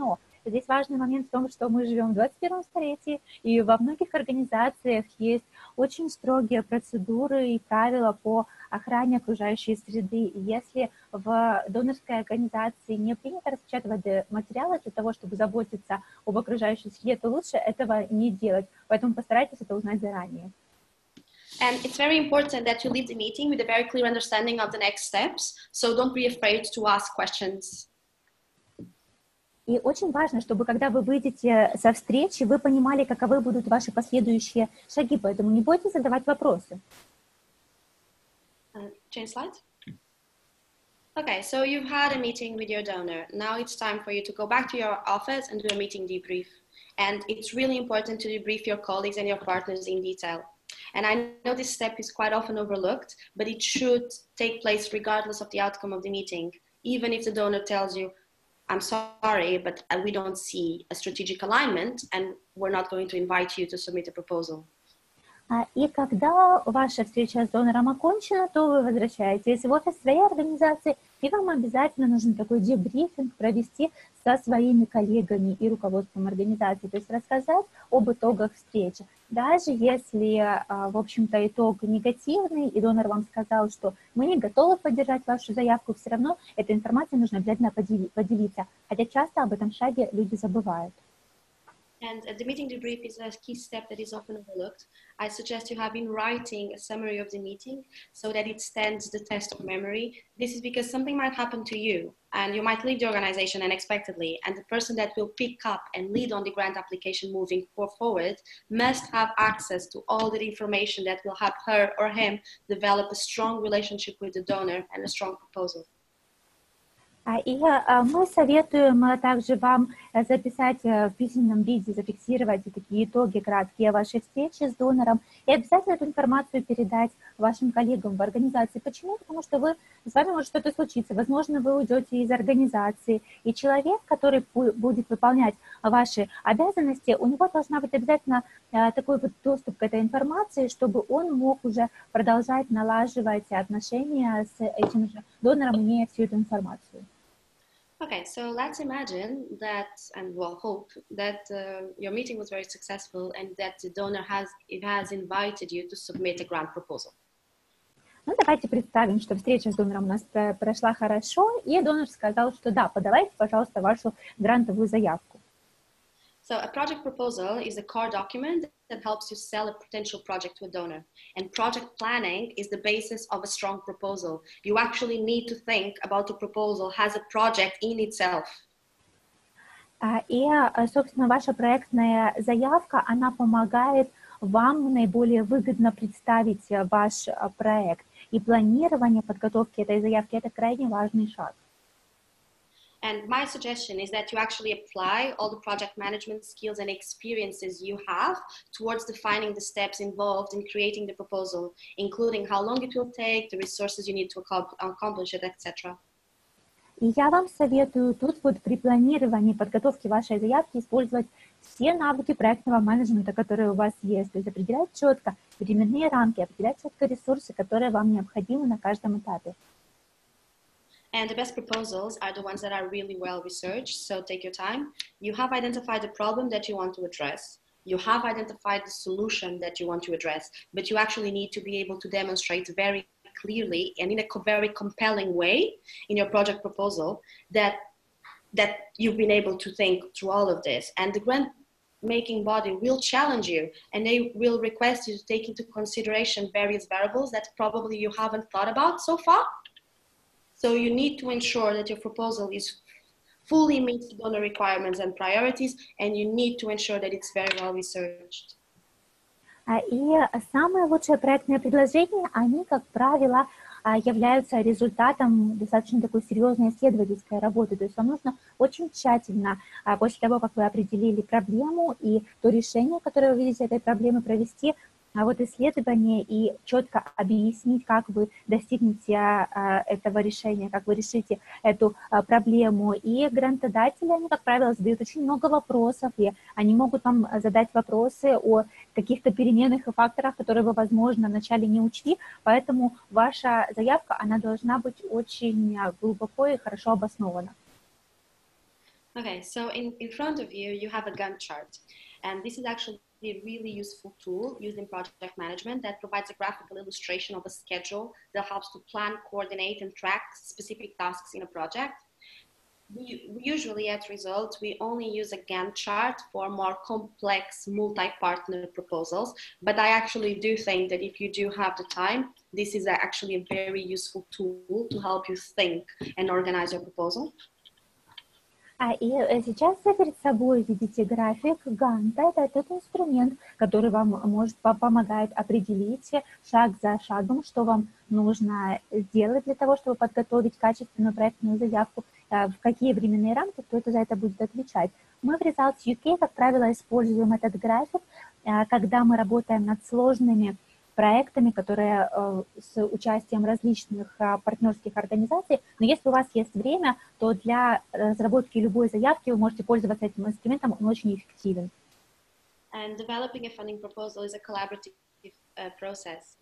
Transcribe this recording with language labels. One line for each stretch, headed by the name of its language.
Russian: Но здесь важный момент в том, что мы живем в 21 столетии, и во многих организациях есть очень строгие процедуры и правила по охране окружающей среды. И если в донорской организации не принято распечатывать материалы для того, чтобы заботиться об окружающей среде, то лучше этого не делать. Поэтому постарайтесь это узнать заранее.
English: And it's very important that you leave the meeting with a very clear understanding of the next steps, so don't be afraid to ask questions.
Russian: И очень важно, чтобы когда вы выйдете со встречи, вы понимали, каковы будут ваши последующие шаги, поэтому не бойтесь задавать вопросы.
English: Change slide. Okay, so you've had a meeting with your donor. Now it's time for you to go back to your office and do a meeting debrief. And it's really important to debrief your colleagues and your partners in detail. And I know this step is quite often overlooked, but it should take place regardless of the outcome of the meeting, even if the donor tells you, I'm sorry, but we don't see a strategic alignment and we're not going to invite you to submit a proposal.
Russian: И когда ваша встреча с донором окончена, то вы возвращаетесь в офис своей организации, и вам обязательно нужен такой дебрифинг провести со своими коллегами и руководством организации, то есть рассказать об итогах встречи. Даже если, в общем-то, итог негативный, и донор вам сказал, что мы не готовы поддержать вашу заявку, все равно этой информацией нужно обязательно поделиться, хотя часто об этом шаге люди забывают.
English: And the meeting debrief is a key step that is often overlooked. I suggest you have in writing a summary of the meeting so that it stands the test of memory. This is because something might happen to you and you might leave the organization unexpectedly, and the person that will pick up and lead on the grant application moving forward must have access to all the information that will help her or him develop a strong relationship with the donor and a strong proposal.
Russian: И мы советуем также вам записать в письменном виде, зафиксировать такие итоги краткие вашей встречи с донором и обязательно эту информацию передать вашим коллегам в организации. Почему? Потому что с вами может что-то случиться. Возможно, вы уйдете из организации, и человек, который будет выполнять ваши обязанности, у него должна быть обязательно такой вот доступ к этой информации, чтобы он мог уже продолжать налаживать отношения с этим же донором, имея всю эту информацию.
English: Okay, so let's imagine that, and well, hope that your meeting was very successful and that the donor has invited you to submit a grant proposal.
Russian: Ну, давайте представим, что встреча с донором у нас прошла хорошо, и донор сказал, что да, подавайте, пожалуйста, вашу грантовую заявку.
English: So a project proposal is a core document that helps you sell a potential project to a donor. And project planning is the basis of a strong proposal. You actually need to think about the proposal as a project in itself.
Russian: И, собственно, ваша проектная заявка, она помогает вам наиболее выгодно представить ваш проект. И планирование подготовки этой заявки – это крайне важный шаг.
English: And my suggestion is that you actually apply all the project management skills and experiences you have towards defining the steps involved in creating the proposal, including how long it will take, the resources you need to accomplish it, etc.
Russian: И я вам советую тут вот при планировании подготовки вашей заявки использовать все навыки проектного менеджмента, которые у вас есть. То есть определять четко временные рамки, определять четко ресурсы, которые вам необходимы на каждом этапе.
English: And the best proposals are the ones that are really well researched, so take your time. You have identified the problem that you want to address. You have identified the solution that you want to address, but you actually need to be able to demonstrate very clearly and in a very compelling way in your project proposal that you've been able to think through all of this. And the grant making body will challenge you and they will request you to take into consideration various variables that probably you haven't thought about so far. So you need to ensure that your proposal is fully meets the donor requirements and priorities, and you need to ensure that it's very well researched.
Russian: И самые лучшие проектные предложения, они, как правило, являются результатом достаточно такой серьезной исследовательской работы. То есть вам нужно очень тщательно, после того, как вы определили проблему и то решение, которое вы видите этой проблемы, провести вот исследование и четко объяснить, как вы достигнете этого решения, как вы решите эту проблему. И грантодатели, они, как правило, задают очень много вопросов, и они могут вам задать вопросы о каких-то переменных и факторах, которые вы, возможно, вначале не учли, поэтому ваша заявка, она должна быть очень глубоко и хорошо обоснована.
English: Okay, so in front of you, you have a Gantt chart, and this is actually a really useful tool used in project management that provides a graphical illustration of a schedule that helps to plan, coordinate, and track specific tasks in a project. We usually, at Results, we only use a Gantt chart for more complex multi-partner proposals, but I actually do think that if you do have the time, this is actually a very useful tool to help you think and organize your proposal.
Russian: И сейчас вы перед собой видите график Ганта. Это тот инструмент, который вам может помогать определить шаг за шагом, что вам нужно сделать для того, чтобы подготовить качественную проектную заявку, в какие временные рамки, кто это за это будет отвечать. Мы в Results UK, как правило, используем этот график, когда мы работаем над сложными проектами, которые с участием различных партнерских организаций. Но если у вас есть время, то для разработки любой заявки вы можете пользоваться этим инструментом, он очень эффективен.
English: And developing a funding proposal is a collaborative process.